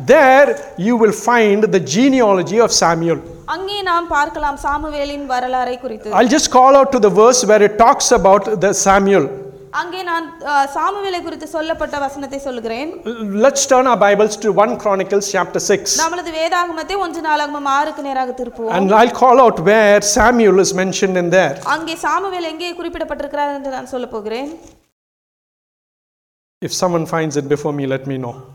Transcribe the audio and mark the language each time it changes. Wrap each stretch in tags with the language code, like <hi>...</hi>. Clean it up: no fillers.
<en>There you will find the genealogy of Samuel.</en> <ta>அங்கே நாம் பார்க்கலாம் சாமுவேலின் வரலாறு குறித்து.</ta> <en>I'll just call out to the verse where it talks about the Samuel.</en> <ta>அங்கே நான் சாமுவேலை குறித்து சொல்லப்பட்ட வசனத்தை சொல்கிறேன்.</ta> <en>Let's turn our Bibles to 1 Chronicles chapter 6.</en> <ta>நம்மளது வேதாகமத்தை 1 நாளாகமம் 6க்கு நேராக திருப்புவோம்.</ta> <en>And I'll call out where Samuel is mentioned in there.</en> <ta>அங்கே சாமுவேல் எங்கே குறிப்பிடப்பட்டிருக்கிறார் என்று நான் சொல்லப் போகிறேன்.</ta> <en>If someone finds it before me, let me know.</en>